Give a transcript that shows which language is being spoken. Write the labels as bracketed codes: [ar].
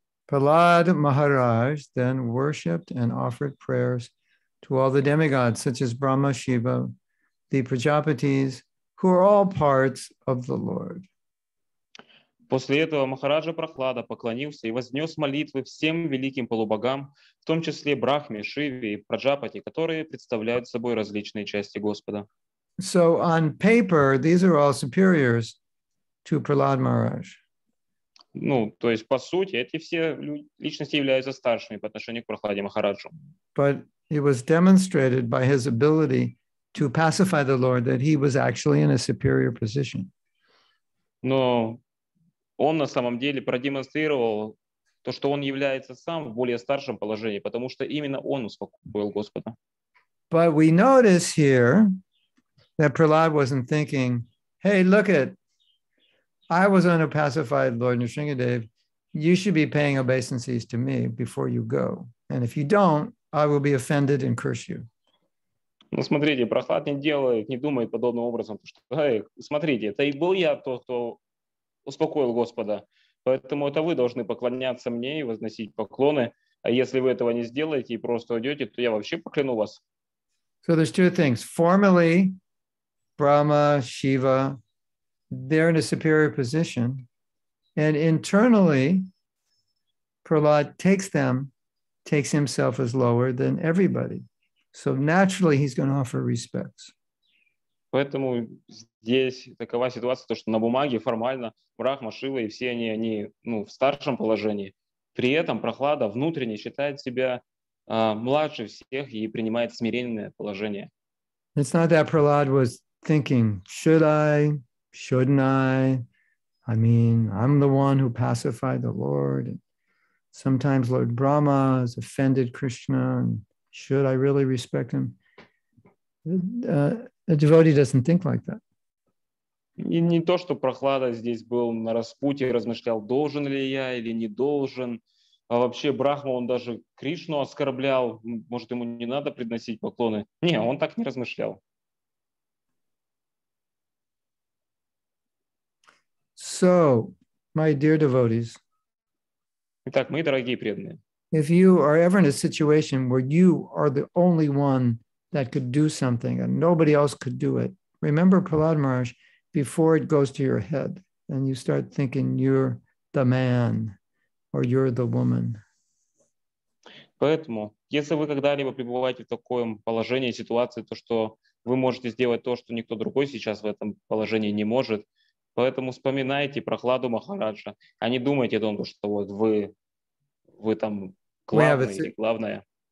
[en] Prahlad Maharaj then worshipped and offered prayers to all the demigods, such as Brahma, Shiva, the Prajapatis, who are all parts of the Lord. [ru] После этого Махараджа Прахлада поклонился и вознес молитвы всем великим полубогам, в том числе Брахме, Шиве и Праджапати, которые представляют собой различные части Господа. [en] So on paper, these are all superiors to Prahlad Maharaj. [ru] Ну, то есть, по сути, эти все личности являются старшими по отношению к Прахладе Махараджу. [en] But it was demonstrated by his ability to pacify the Lord that he was actually in a superior position. [ru] Но он на самом деле продемонстрировал то, что он является сам в более старшем положении, потому что именно он успокоил Господа. [en] But we notice here that Prahlad wasn't thinking, hey, look at I was on a pacified Lord Nrisingadev. You should be paying obeisances to me before you go. And if you don't, I will be offended and curse you. [ru] Ну, смотрите, Прохлад не делает, не думает подобным образом. Что, смотрите, это и был я тот, кто успокоил Господа. Поэтому это вы должны поклоняться мне и возносить поклоны. А если вы этого не сделаете и просто уйдете, то я вообще покляну вас. [en] So there's two things. Formally, Brahma, Shiva, they're in a superior position, and internally, Prahlad takes himself as lower than everybody. So naturally, he's going to offer respects. [ru] Поэтому здесь такова ситуация, то что на бумаге формально Брахма, Шива и все они ну в старшем положении. При этом Прахлада внутренне считает себя младше всех и принимает смиренное положение. [en] It's not that Prahlad was thinking, should I? Shouldn't I? I mean, I'm the one who pacified the Lord. And sometimes Lord Brahma has offended Krishna. And should I really respect him? A devotee doesn't think like that. [ru] И не то, что Прохлада здесь был на распутье и размышлял, должен ли я или не должен. А вообще Брахма, он даже Кришну оскорблял. Может, ему не надо приносить поклоны? Не, он так не размышлял. [en] So, my dear devotees, [ru] Итак, мои дорогие преданные, [en] if you are ever in a situation where you are the only one that could do something and nobody else could do it, remember Prahlad Maharaj before it goes to your head and you start thinking you're the man or you're the woman. [ru] Поэтому, если вы когда-либо пребываете в таком положении, ситуации, то что вы можете сделать то, что никто другой сейчас в этом положении не может, поэтому вспоминайте Прохладу Махараджа, а не думайте о том, что вот вы там главный, главная.